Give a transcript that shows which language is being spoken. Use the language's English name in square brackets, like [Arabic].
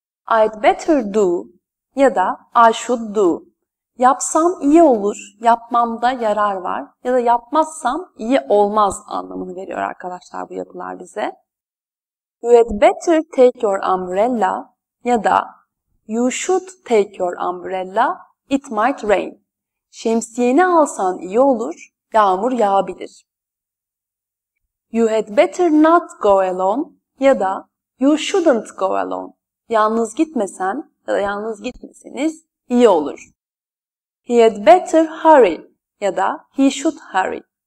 [English] I'd better do [Turkish] ya da [English] I should do. [Turkish] Yapsam iyi olur, yapmamda yarar var ya da yapmazsam iyi olmaz anlamını veriyor arkadaşlar bu yapılar bize. [English] You'd better take your umbrella [Turkish] ya da [English] you should take your umbrella, it might rain. [Turkish] Şemsiyeni alsan iyi olur, yağmur yağabilir. [English] You had better not go alone [Turkish] ya da [English] you shouldn't go alone. [Turkish] Yalnız gitmesen ya da yalnız gitmeseniz iyi olur. [English] He had better hurry [Turkish] ya da [English] he should hurry.